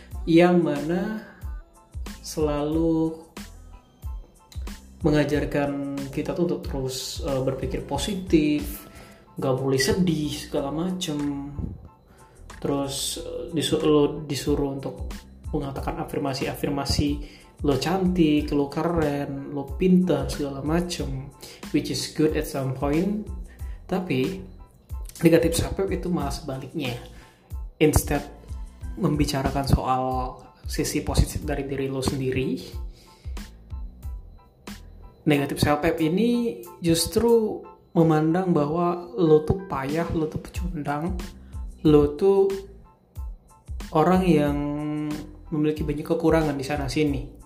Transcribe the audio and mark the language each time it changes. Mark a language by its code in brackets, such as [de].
[id] Yang mana selalu mengajarkan kita tuh untuk terus berpikir positif. Gak boleh sedih, segala macem. Terus lo disuruh untuk mengatakan afirmasi-afirmasi. Lo cantik, lo keren, lo pintar, segala macem. [en] Which is good at some point. [id] Tapi, negatif self-help itu malah sebaliknya. Instead, membicarakan soal sisi positif dari diri lo sendiri. Negatif self-help ini justru memandang bahwa lo tuh payah, lo tuh pecundang, lo tuh orang yang memiliki banyak kekurangan di sana-sini.